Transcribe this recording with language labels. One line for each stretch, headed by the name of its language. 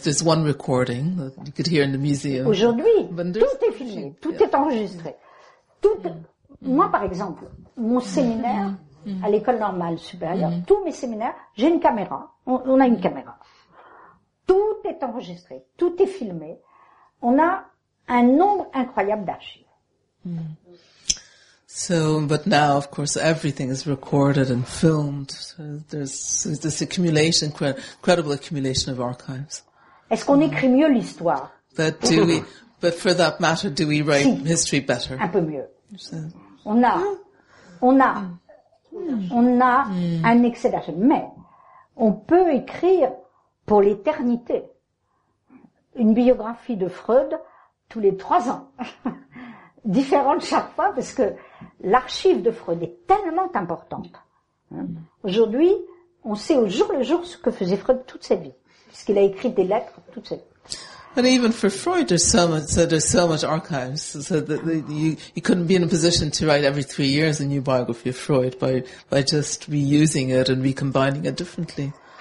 English: There's one recording that you could hear in the museum.
French: Aujourd'hui, tout est filmé, tout est enregistré. Moi, par exemple, mon séminaire à l'école normale supérieure, tous mes séminaires, j'ai une caméra. On a une caméra. Tout est enregistré, tout est filmé. On a un nombre incroyable d'archives.
English: So, but now, of course, everything is recorded and filmed. So there's this accumulation, credible accumulation of archives.
French: Est-ce qu'on écrit mieux l'histoire?
English: But do we, but for that matter, do we write history better?
French: Un peu mieux. So. On a un excès d'argent, mais on peut écrire pour l'éternité une biographie de Freud tous les 3 ans. Différente chaque fois parce que l'archive de Freud est tellement importante. Aujourd'hui, on sait au jour le jour ce que faisait Freud toute sa vie, puisqu'il a écrit des lettres toute sa vie.
English: And even for Freud, there's so much archives, so that you couldn't be in a position to write every 3 years a new biography of Freud by just reusing it and recombining it differently.